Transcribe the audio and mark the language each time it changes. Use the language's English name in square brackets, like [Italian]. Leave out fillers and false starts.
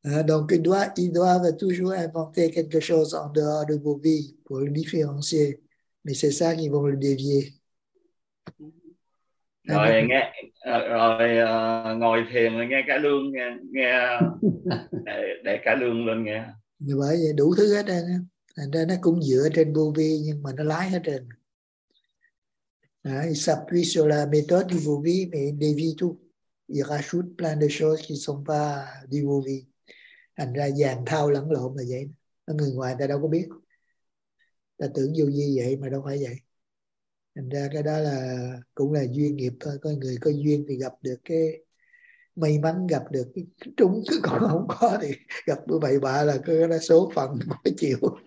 [French] Donc il doit toujours inventer quelque chose en dehors de vos vies pour le différencier, mais c'est ça qui vont le dévier. [Vietnamese] Rồi nghe rồi ngồi thiền nghe cả lương nghe để cả lương lên nghe. Như vậy đủ thứ hết rồi, thành ra nó cũng dựa trên vô vi nhưng mà nó lái hết trên. [French] Il s'appuie sur la méthode du Vouvi, mais il dévie tout. Il rajoute plein de choses qui ne sont pas du Vouvi. [Vietnamese] Thành ra dàn thao lẫn lộn là vậy. Người ngoài ta đâu có biết. Ta tưởng Vouvi vậy mà đâu phải vậy. Thành ra cái đó là cũng là duyên nghiệp thôi. Có người có duyên thì gặp được cái may mắn gặp được cái trúng. Chứ còn không có thì gặp bữa bậy bạ là cứ là số phận của chịu.